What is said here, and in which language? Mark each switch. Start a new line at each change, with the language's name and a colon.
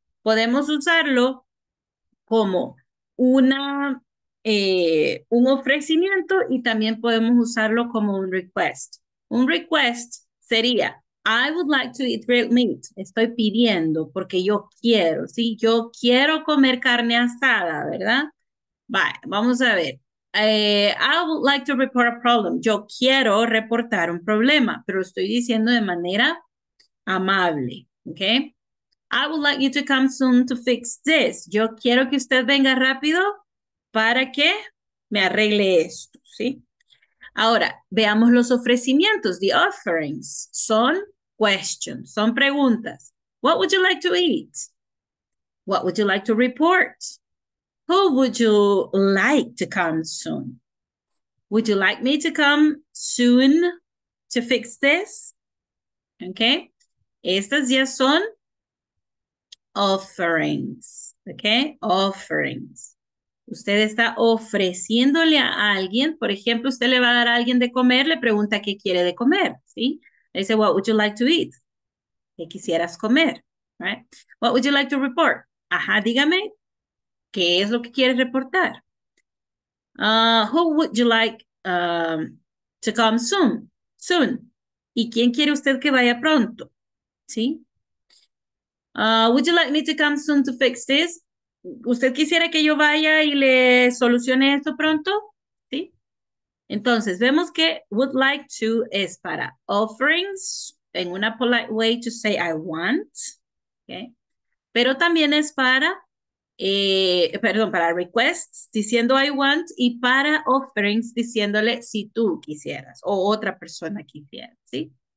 Spanish: Podemos usarlo como un ofrecimiento y también podemos usarlo como un request. Un request sería,
English: I would like to eat grilled meat.
Spanish: Estoy pidiendo porque yo quiero, ¿sí? Yo quiero comer carne asada, ¿verdad? Vale, vamos a ver.
English: I would like to report a problem.
Spanish: Yo quiero reportar un problema, pero estoy diciendo de manera amable, ¿ok?
English: I would like you to come soon to fix this.
Spanish: Yo quiero que usted venga rápido para que me arregle esto, ¿sí? Ahora, veamos los ofrecimientos, the offerings, son questions, son preguntas.
English: What would you like to eat? What would you like to report? Who would you like to come soon? Would you like me to come soon to fix this?
Spanish: Okay, estas ya son offerings, okay, offerings. Usted está ofreciéndole a alguien, por ejemplo, usted le va a dar a alguien de comer, le pregunta qué quiere de comer, ¿sí? Le dice,
English: what would you like to eat?
Spanish: ¿Qué quisieras comer?
English: Right? What would you like to report?
Spanish: Ajá, dígame, ¿qué es lo que quieres reportar?
English: Who would you like to come soon? Soon.
Spanish: ¿Y quién quiere usted que vaya pronto? ¿Sí?
English: Would you like me to come soon to fix this?
Spanish: ¿Usted quisiera que yo vaya y le solucione esto pronto? ¿Sí? Entonces, vemos que would like to es para offerings, en una
English: polite way to say I want,
Spanish: okay? Pero también es para, para requests, diciendo
English: I want,
Spanish: y para offerings, diciéndole si tú quisieras o otra persona quisiera, ¿sí?